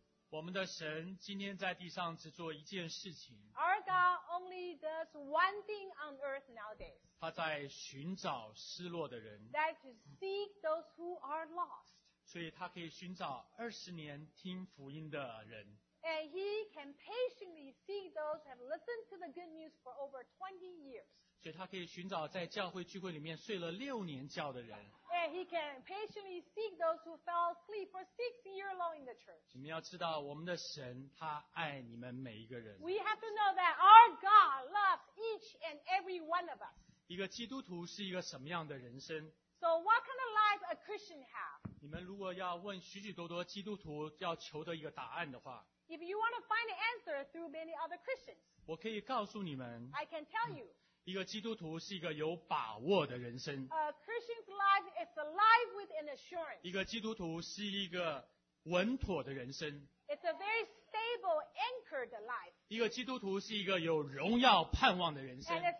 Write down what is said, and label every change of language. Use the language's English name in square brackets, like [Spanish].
[Chinese] 我们的神今天在地上只做一件事情。 [English] Our God only does one thing on earth nowadays. [Chinese] 他在寻找失落的人， [English] that to seek those who are lost. [Chinese] 所以他可以寻找二十年听福音的人。 [English] And he can patiently seek those who have listened to the good news for over 20 years. [Chinese] 所以他可以寻找在教会聚会里面睡了六年觉的人。 [English] And he can patiently seek those who fell asleep for 6 years long in the church. [Chinese] 你们要知道，我们的神他爱你们每一个人。 [English] We have to know that our God loves each and every one of us. [Chinese] 一个基督徒是一个什么样的人生？ [English] So what kind of life a Christian have? [Chinese] 你们如果要问许许多多基督徒要求的一个答案的话， [English] If you want to find an answer through many other Christians, [Chinese] 我可以告诉你们， [English] I can tell you, [Chinese] 一个基督徒是一个有把握的人生。 [English] A Christian's life is a life with an assurance. [Chinese] 一个基督徒是一个稳妥的人生。 [English] It's a very stable, anchored life. [Chinese] 一个基督徒是一个有荣耀盼望的人生。